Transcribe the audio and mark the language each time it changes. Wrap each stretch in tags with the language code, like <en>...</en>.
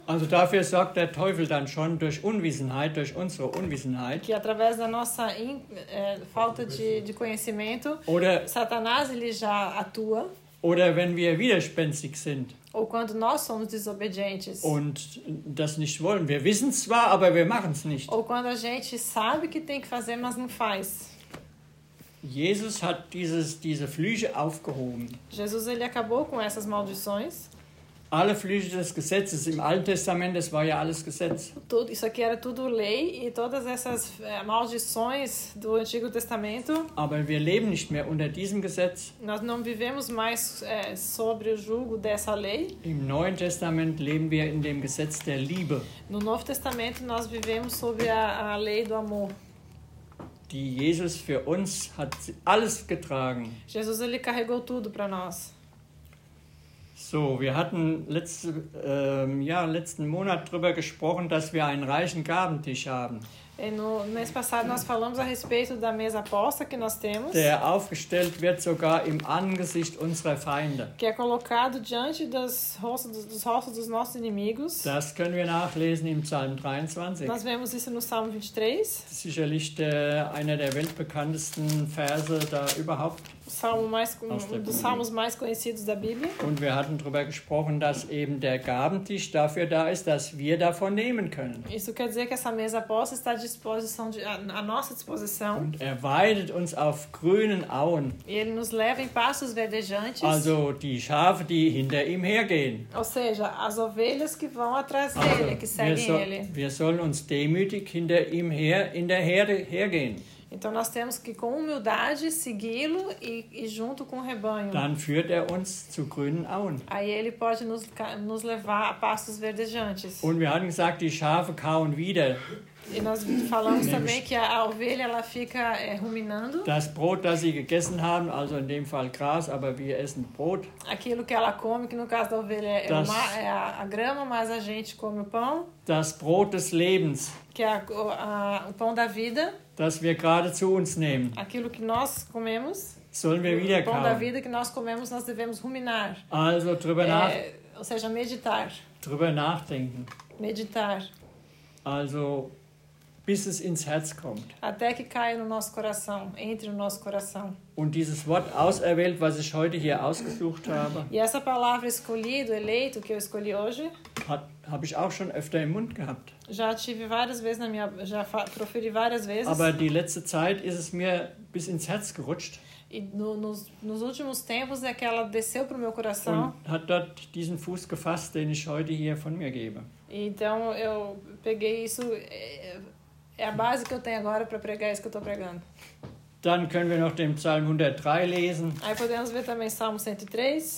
<de>Also dafür sorgt der Teufel dann schon durch Unwissenheit, durch unsere Unwissenheit.</de> <pt>Que através da nossa falta de conhecimento.</pt> <de>Oder</de> <pt>Satanás, ele já atua.</pt> <de>Oder wenn wir widerspenstig sind.</de> <pt>Ou quando nós somos desobedientes.</pt> <de>Und das nicht wollen. Wir wissen zwar, aber wir machen es nicht.</de> <pt>Ou quando a gente sabe que tem que fazer, mas não faz.</pt> <de>Jesus hat diese Flüche aufgehoben.</de> <pt>Jesus, ele acabou com essas maldições.</pt> <de>Alle Flüche des Gesetzes im Alten Testament, das war ja alles Gesetz.</de> <pt>Tudo, isso aqui era tudo lei e todas essas maldições do Antigo Testamento.</pt> <de>Aber wir leben nicht mehr unter diesem Gesetz.</de> <pt>Nós não vivemos mais sobre o jugo dessa lei.</pt> <de>Im Neuen Testament leben wir in dem Gesetz der Liebe.</de> <pt>No Novo Testamento nós vivemos sob a lei do amor.</pt> <de>Die Jesus für uns hat alles getragen.</de> <pt>Jesus, ele carregou tudo para nós.</pt> <de>So, wir hatten letzten Monat drüber gesprochen, dass wir einen reichen Gabentisch haben.</de> <pt>No mês passado nós falamos a respeito da mesa posta que nós temos.</pt> <de>Der aufgestellt wird sogar im Angesicht unserer Feinde.</de> <pt>Que é colocado diante dos rostos dos nossos inimigos.</pt> <de>Das können wir nachlesen im Psalm 23.</de> <pt>Nós vemos isso no Salmo 23.</pt> <de>Sicherlich einer der weltbekanntesten Verse da überhaupt.</de> <pt>Dos salmos mais conhecidos da Bíblia.</pt> <de>Und wir hatten darüber gesprochen, dass eben der Gabentisch dafür da ist, dass wir davon nehmen können.</de> <pt>Isso quer dizer que essa mesa posta está à disposição à nossa disposição.</pt> <de>Und er weidet uns auf grünen Auen.</de> <pt>Ele nos leva em pastos verdejantes.</pt> <de>Also die Schafe, die hinter ihm hergehen.</de> <pt>Ou seja, as ovelhas que vão atrás dele, also, que seguem ele.</pt> <de>Wir sollen uns demütig hinter ihm her in der Herde hergehen.</de> <pt>Então nós temos que com humildade segui-lo e junto com o rebanho.</pt> <de>Dann führt uns zu grünen Auen.</de> <pt>Aí ele pode nos levar a pastos verdejantes.</pt> <de>Und wir haben gesagt, die Schafe kauen wieder.</de> <pt>E nós falamos também que a ovelha ela fica ruminando.</pt> <de>Das Brot, das sie gegessen haben, also in dem Fall Gras, aber wir essen Brot.</de> <pt>Aquilo que ela come, que no caso da ovelha é a grama, mas a gente come o pão.</pt> <de>Das Brot des Lebens.</de> <pt>Que é o pão da vida.</pt> <de>Das wir gerade zu uns nehmen.</de> <pt>Aquilo que nós comemos.</pt> <de>Sollen wir wieder kauen.</de> <pt>O pão da vida que nós comemos, nós devemos ruminar.</pt> <de>Also drüber</de> <pt>ou seja, meditar.</pt> <de>Drüber nachdenken.</de> <pt>Meditar.</pt> <de>Also bis es ins Herz kommt.</de> <pt>Até que caia no nosso coração, entre no nosso coração.</pt> <de>Und dieses Wort auserwählt, was ich heute hier ausgesucht habe.</de> <pt>E essa palavra escolhido, eleito, que eu escolhi hoje.</pt> <de>Habe ich auch schon öfter im Mund gehabt.</de> <pt>Já tive várias vezes na minha, já proferi várias vezes.</pt> <de>Aber die letzte Zeit ist es mir bis ins Herz gerutscht.</de> <pt>E nos últimos tempos é que ela desceu pro meu coração.</pt> <de>Und hat dort diesen Fuß gefasst, den ich heute hier von mir gebe.</de> <pt>Então eu peguei isso. É a base que eu tenho agora para pregar isso que eu estou pregando.</pt> <de>Dann können wir noch den Psalm 103 lesen.</de> <pt>Aí podemos ver também Salmo 103.</pt>